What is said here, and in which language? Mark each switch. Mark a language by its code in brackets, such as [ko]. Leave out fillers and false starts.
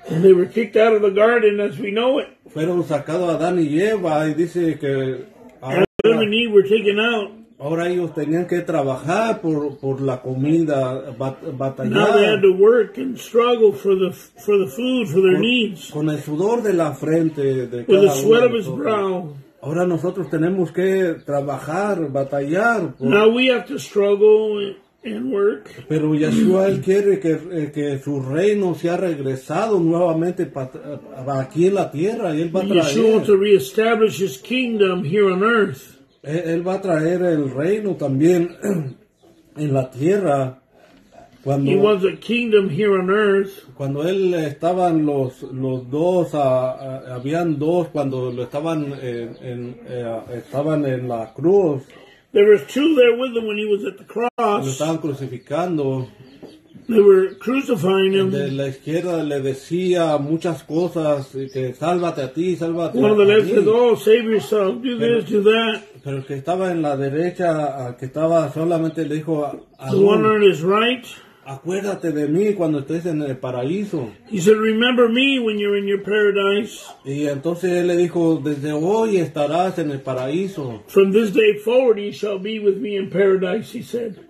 [en] And they were kicked out of the garden as we know it. [es] Fueron sacados Adán y Eva, y dice que [en] Adam and Eve were taken out. [es] Ahora ellos tenían que trabajar por la comida, batallar. [en] Now they had to work and struggle for the food, for their needs. [es] Con el sudor de la frente de cada uno de nosotros. Ahora nosotros tenemos que trabajar, batallar. [en] Now we have to struggle and work. [es] Pero Yeshua él quiere que su reino sea regresado nuevamente aquí en la tierra, y él va a traer. [en] Yeshua wants to reestablish his kingdom here on earth. [es] Él va a traer el reino también en la tierra. Cuando, [en] he wants a kingdom here on earth. [es] Cuando él estaban los dos, habían dos cuando lo estaban estaban en la cruz. [en] There were two there with him when he was at the cross. [es] Lo estaban crucificando. [en] They were crucifying him. [es] De la izquierda le decía muchas cosas, que sálvate a ti, sálvate a ti. [en] One of the left said, oh, save yourself, do this, do that. [es] Pero el que estaba en la derecha, el que estaba solamente le dijo, [en] the one on his right. [es] Acuérdate de mí cuando estés en el paraíso. [en] He said, remember me when you're in your paradise. [es] Y entonces él le dijo, desde hoy estarás en el paraíso. [en] From this day forward you shall be with me in paradise, he said.